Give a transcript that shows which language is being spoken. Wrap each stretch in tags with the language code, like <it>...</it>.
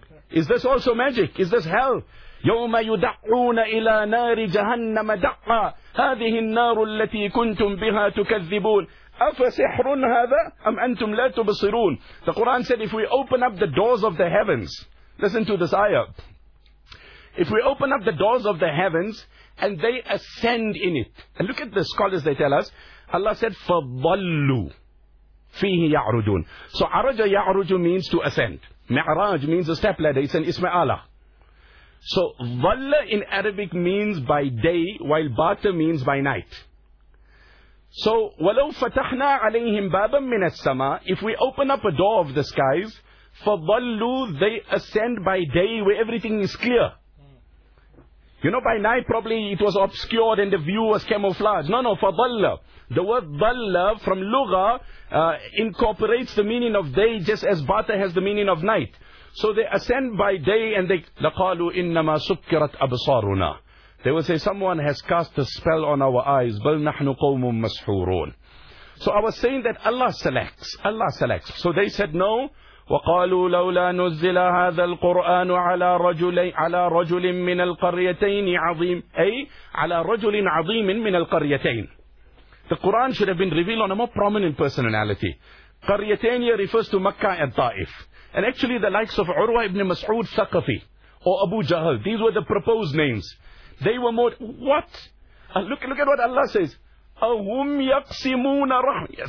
<en>Is this also magic? Is this hell?</en> <ar>يَوْمَ يُدَعُّونَ إِلَىٰ نَارِ جَهَنَّمَ دَعَّى هَذِهِ النَّارُ الَّتِي كُنْتُمْ بِهَا تُكَذِّبُونَ أَفَسِحْرٌ هَذَا أَمْ أَنْتُمْ لَا تُبَصِرُونَ.</ar> <en>The Quran said, if we open up the doors of the heavens, listen to this ayah. If we open up the doors of the heavens and they ascend in it. And look at the scholars, they tell us. Allah said,</en> <ar>فَضَلُّوا فِيهِ يَعْرُجُونَ.</ar> <en>So, عَرَجَ يَعْرُجُ means to ascend. مِعْرَاج means a step ladder. It's an ismi ala. So, ظَلَّ in Arabic means by day, while بَاتَ means by night.</en> <ar>So, وَلَوْ فَتَحْنَا عَلَيْهِمْ بَابًا مِنَ السَّمَاءِ.</ar> <en>If we open up a door of the skies, فَضَلُّوا, they ascend by day where everything is clear. You know, by night probably it was obscured and the view was camouflaged. No, فَضَلَّ. The word ظَلَّ from لُغَة incorporates the meaning of day just as بَاتَ has the meaning of night. So they ascend by day and they</en> <ar>لَقَالُوا إِنَّمَا سُكِّرَتْ أَبْصَارُنَا.</ar> <en>They will say, someone has cast a spell on our eyes.</en> <ar>بَلْ نَحْنُ قَوْمٌ مَسْحُورُونَ.</ar> <en>So I was saying that Allah selects. So they said no.</en> <ar>وَقَالُوا لَوْلَا نُزِّلَ هَذَا الْقُرْآنُ عَلَى رَجُلٍ مِّنَ الْقَرْيَتَيْنِ عَظِيمٍ. أي على رجل عظيم من القريتين.</ar> <en>The Quran should have been revealed on a more prominent personality. قريتين refers to Makkah and Taif. And actually the likes of Urwa ibn Mas'ud Thaqafi or Abu Jahl, these were the proposed names. They were more, what? Look at what Allah says.</en> <ar>أَهُمْ يَقْسِمُونَ رَحْمٍ.</ar>